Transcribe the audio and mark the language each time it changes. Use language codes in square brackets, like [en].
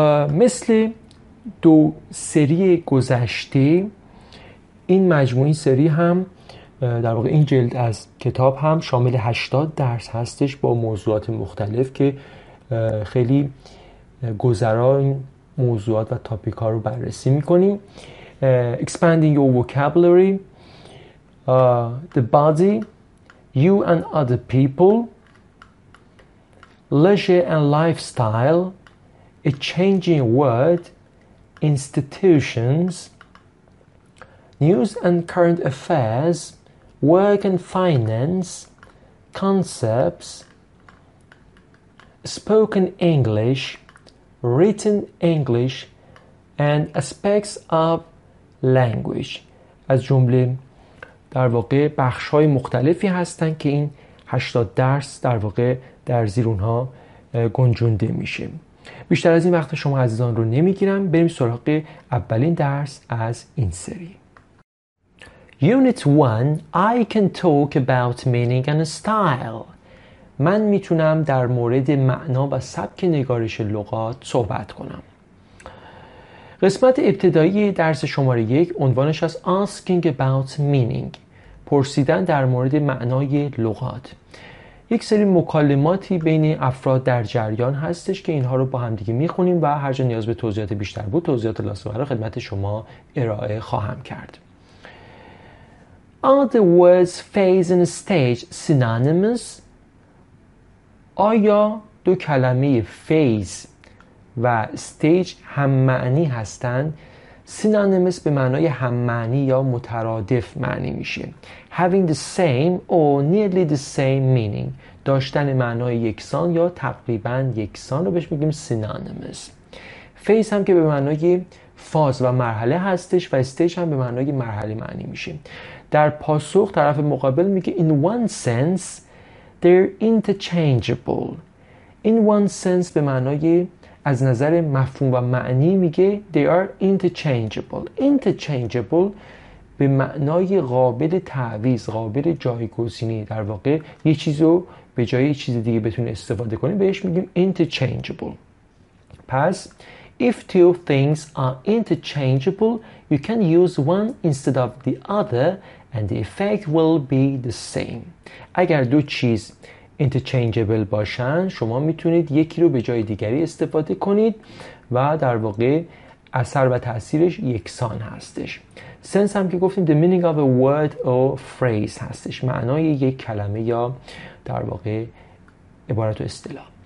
[fa] مثل دو سری گذشته، این مجموعه، این سری هم در واقع این جلد از کتاب هم شامل 80 درس هستش با موضوعات مختلف که خیلی گذرا این موضوعات و تاپیک ها رو بررسی میکنیم. [en] Expanding your vocabulary, the body, you and other people, leisure and lifestyle, a changing world, institutions, news and current affairs, work and finance, concepts, spoken English, written English, and aspects of language. [fa] از جمله در واقع بخش های مختلفی هستن که این 80 درس در واقع در زیر اونها گنجونده میشه. بیشتر از این وقت شما عزیزان رو نمیگیرم، بریم سراغ اولین درس از این سری. [en] Unit 1, I can talk about meaning and style. [fa] من میتونم در مورد معنا و سبک نگارش لغات صحبت کنم. قسمت ابتدایی درس شماره 1 عنوانش از [en] Asking about meaning، [fa] پرسیدن در مورد معنای لغات. یک سری مکالماتی بین افراد در جریان هستش که اینها رو با هم دیگه میخونیم و هر جا نیاز به توضیحات بیشتر بود، توضیحات لازم رو خدمت شما ارائه خواهم کرد. [en] Are the words phase and stage synonymous? [fa] آیا دو کلمه phase و stage هم معنی هستند؟ Synonymous به معنای هم معنی یا مترادف معنی میشه. [en] Having the same or nearly the same meaning. [fa] داشتن معنای یکسان یا تقریبا یکسان رو بهش میگیم synonymous. Phase هم که به معنای فاز و مرحله هستش و stage هم به معنای مرحله معنی میشه. در پاسخ طرف مقابل میگه [en] in one sense they're interchangeable. In one sense [fa] به معنای از نظر مفهوم و معنی میگه [en] they are interchangeable. [fa] Interchangeable به معنای قابل تعویض، قابل جایگزینی. در واقع یه چیزو به جای یه چیز دیگه بتونی استفاده کنی بهش میگیم interchangeable. پس [en] if two things are interchangeable you can use one instead of the other and the effect will be the same. [fa] اگر دو چیز interchangeable باشن، شما میتونید یکی رو به جای دیگری استفاده کنید و در واقع اثر و تأثیرش یکسان هستش. سنس هم که گفتیم [en] the meaning of a word or phrase [fa] هستش، معنای یک کلمه یا در واقع عبارت و اصطلاح.